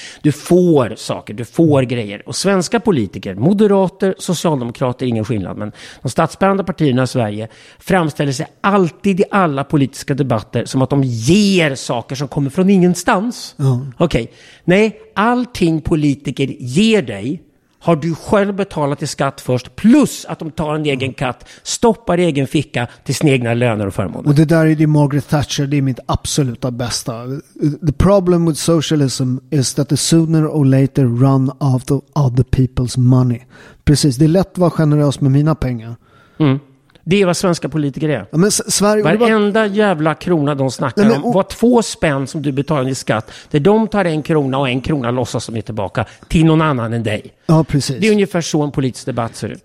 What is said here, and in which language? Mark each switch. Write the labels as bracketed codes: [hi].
[sv] Du får saker, du får grejer. Och svenska politiker, moderater, socialdemokrater, ingen skillnad, men de statsbärande partierna i Sverige framställer sig alltid i alla politiska debatter som att de ger saker som kommer från ingenstans. Mm. Okej. Nej, allting politiker ger dig har du själv betalat i skatt först, plus att de tar en egen katt, stoppar i egen ficka till sina egna löner och förmåner. Och det där är det Margaret Thatcher, det är mitt absoluta bästa. [en] The problem with socialism is that the sooner or later run out of other people's money. [sv] Precis, det är lätt att vara generös med mina pengar. Mm. Det är vad svenska politiker är. Ja, men Sverige, varenda jävla krona de snackar om var två spänn som du betalar i skatt. Där de tar en krona och en krona låtsas som är tillbaka till någon annan än dig. Ja, precis. Det är ungefär så en politisk debatt ser ut.